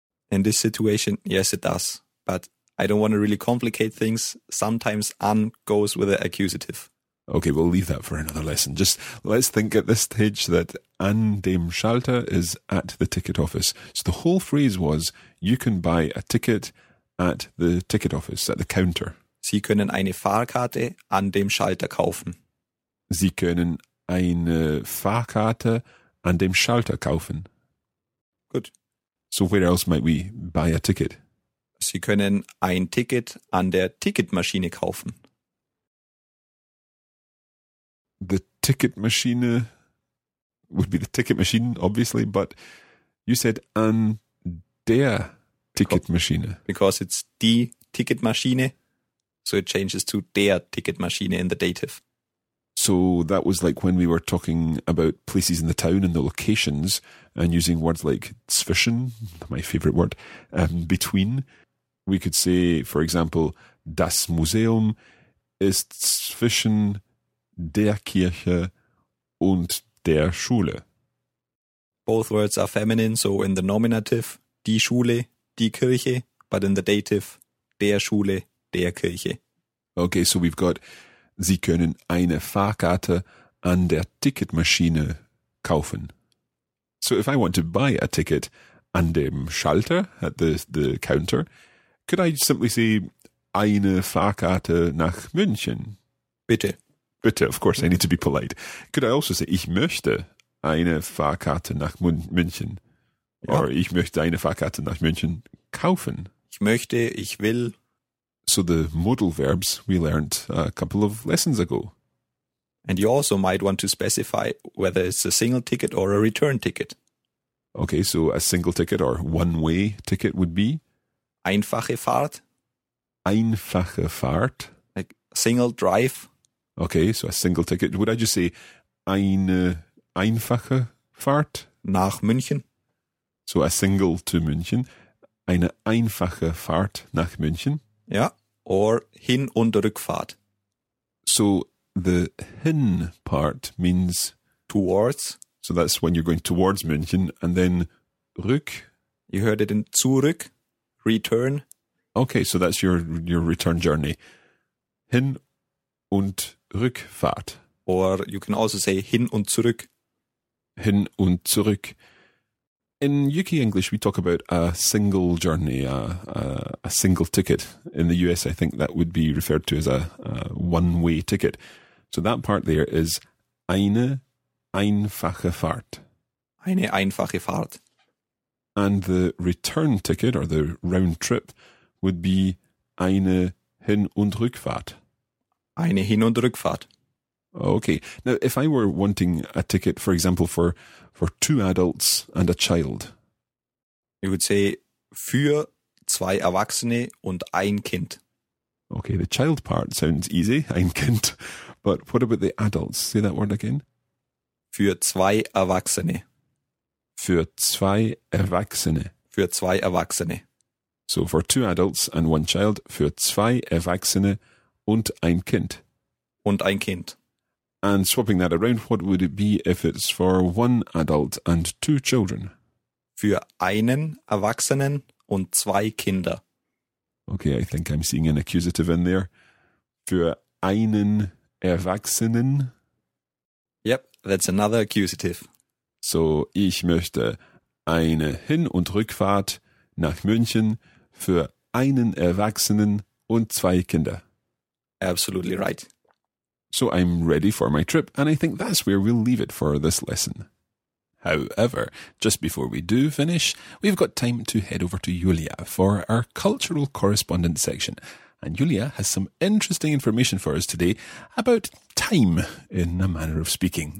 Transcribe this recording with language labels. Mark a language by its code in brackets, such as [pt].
[en] In this situation, yes, it does. But I don't want to really complicate things. Sometimes an goes with the accusative. Okay, we'll leave that for another lesson. Just let's think at this stage that [de] an dem Schalter [en] is at the ticket office. So the whole phrase was, you can buy a ticket at the ticket office, at the counter. [de] Sie können eine Fahrkarte an dem Schalter kaufen. Sie können eine Fahrkarte an dem Schalter kaufen. [en] Good. So where else might we buy a ticket? [de] Sie können ein Ticket an der Ticketmaschine kaufen. [en] The ticket machine would be the ticket machine, obviously, but you said an der ticket machine. Because it's die ticket machine, so it changes to der ticket machine in the dative. So that was like when we were talking about places in the town and the locations and using words like zwischen, my favorite word, between. We could say, for example, [de] das Museum ist zwischen der Kirche und der Schule. [en] Both words are feminine, so in the nominative, [de] die Schule, die Kirche, [en] but in the dative, [de] der Schule, der Kirche. [en] Okay, so we've got, [de] Sie können eine Fahrkarte an der Ticketmaschine kaufen. [en] So if I want to buy a ticket [de] an dem Schalter, [en] at the counter, could I simply say, [de] eine Fahrkarte nach München? Bitte. [en] Bitte, of course, I need to be polite. Could I also say, [de] ich möchte eine Fahrkarte nach München? [en] Yeah. [de] Or ich möchte eine Fahrkarte nach München kaufen? Ich möchte, ich will. [en] So the modal verbs we learned a couple of lessons ago. And you also might want to specify whether it's a single ticket or a return ticket. Okay, so a single ticket or one-way ticket would be? [de] Einfache Fahrt. Einfache Fahrt. [en] Like single drive. Okay, so a single ticket. Would I just say [de] eine einfache Fahrt? Nach München. [en] So a single to München. [de] Eine einfache Fahrt nach München. Ja, or Hin- und Rückfahrt. [en] So the hin part means... Towards. So that's when you're going towards München. And then Rück. You heard it in Zurück, return. Okay, so that's your return journey. [de] Hin- und Rückfahrt. Or you can also say hin und zurück. Hin und zurück. [en] In UK English, we talk about a single journey, a single ticket. In the US, I think that would be referred to as a one-way ticket. So that part there is [de] eine einfache Fahrt. Eine einfache Fahrt. [en] And the return ticket or the round trip would be [de] eine Hin- und Rückfahrt. Eine Hin- und Rückfahrt. [en] Okay. Now, if I were wanting a ticket, for example, for two adults and a child. You would say, [de] für zwei Erwachsene und ein Kind. [en] Okay, the child part sounds easy, [de] ein Kind. [en] But what about the adults? Say that word again. [de] Für zwei Erwachsene. Für zwei Erwachsene. Für zwei Erwachsene. [en] So, for two adults and one child, [de] für zwei Erwachsene und ein Kind. Und ein Kind. [en] And swapping that around, what would it be if it's for one adult and two children? [de] Für einen Erwachsenen und zwei Kinder. [en] Okay, I think I'm seeing an accusative in there. [de] Für einen Erwachsenen. [en] Yep, that's another accusative. [de] So, ich möchte eine Hin- und Rückfahrt nach München für einen Erwachsenen und zwei Kinder. [en] Absolutely right. So I'm ready for my trip, and I think that's where we'll leave it for this lesson. However, just before we do finish, we've got time to head over to Julia for our cultural correspondence section, And Julia has some interesting information for us today about time in a manner of speaking.